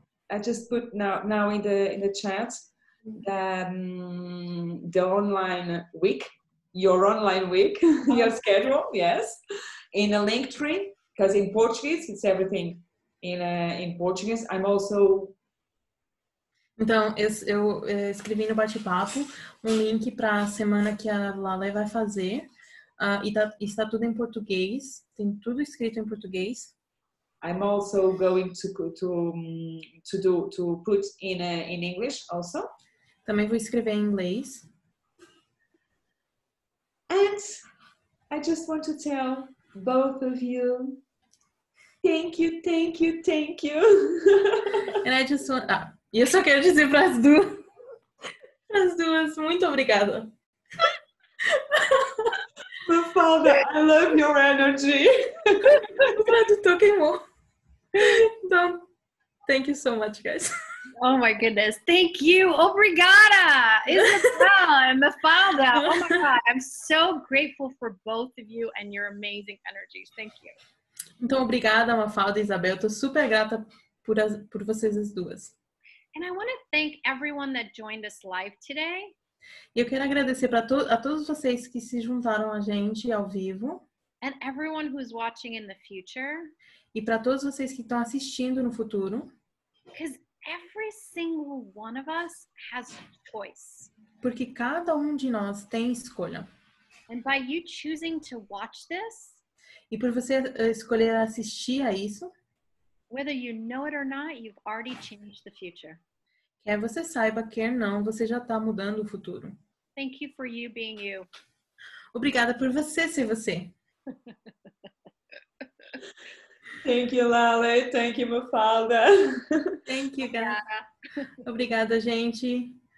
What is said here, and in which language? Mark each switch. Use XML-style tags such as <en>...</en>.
<en>I just put now in the chat the online week, your online week, your schedule, yes, in a link tree, because in Portuguese, it's everything in Portuguese. I'm also...</en> <pt>Então, eu escrevi no bate-papo um link para a semana que a Lale vai fazer. Está tudo em português, tem tudo escrito em português.</pt> <en>I'm also going to put in English also.</en> <pt>Também vou escrever em inglês.</pt> <en>And I just want to tell both of you, thank you, thank you, thank you. And I just want,</en> <pt>eu só quero dizer para as duas, muito obrigada.</pt> <en>The father, I love your energy.</en> <pt>O tradutor queimou. Então,</pt> <en>thank you so much, guys. Oh my goodness, thank you. Obrigada! Isabel and Mafalda. Oh my god, I'm so grateful for both of you and your amazing energies. Thank you.</en> <pt>Então, obrigada, Mafalda e Isabel. Tô super grata por vocês as duas.</pt> <en>And I want to thank everyone that joined us live today.</en> <pt>E eu quero agradecer a todos vocês que se juntaram a gente ao vivo.</pt> <en>And everyone who's watching in the future.</en> <pt>E para todos vocês que estão assistindo no futuro.</pt> <en>Because every single one of us has choice.</en> <pt>Porque cada de nós tem escolha.</pt> <en>And by you choosing to watch this.</en> <pt>E por você escolher assistir a isso.</pt> <en>Whether you know it or not, you've already changed the future.</en> <pt>Quer você saiba, quer não, você já está mudando o futuro.</pt> <en>Thank you for you being you.</en> <pt>Obrigada por você ser você.</pt> <en>Thank you, Lale. Thank you, Mafalda. Thank you, guys.</en> <pt>Obrigada, gente.</pt>